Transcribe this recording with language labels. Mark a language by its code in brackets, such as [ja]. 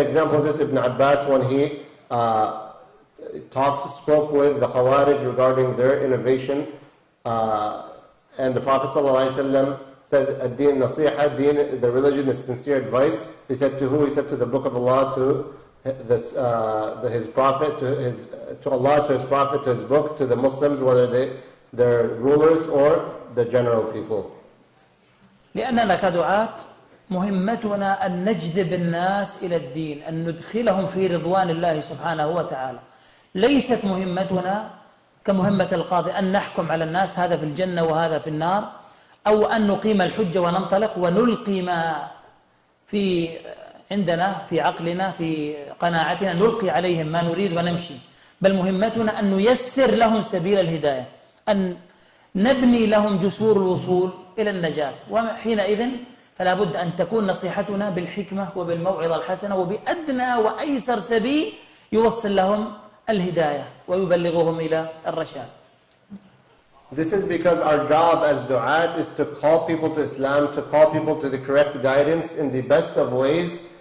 [en] An example of this, Ibn Abbas, when he spoke with the Khawarij regarding their innovation, and the Prophet ﷺ said, [ar] "Ad-din nasiha, [en] din, the religion is sincere advice." He said to who? He said to the Book of Allah, to this, his prophet, to Allah, to his prophet, to his book, to the Muslims, whether they're rulers or the general people. [ar] لأننا كدعاة مهمتنا أن نجذب الناس إلى الدين، أن ندخلهم في رضوان الله سبحانه وتعالى. ليست مهمتنا كمهمة القاضي أن نحكم على الناس هذا في الجنة وهذا في النار، أو أن نقيم الحجة وننطلق ونلقي ما في عندنا في عقلنا في قناعتنا نلقي عليهم ما نريد ونمشي بل مهمتنا أن نيسر لهم سبيل الهداية أن نبني لهم جسور الوصول إلى النجاة وحينئذ فلا بد أن تكون نصيحتنا بالحكمة وبالموعظة الحسنة وبأدنى وأيسر سبيل يوصل لهم الهداية ويبلغهم إلى الرشاد [en] This is because our job as du'at is to call people to Islam, to call people to the correct guidance in the best of ways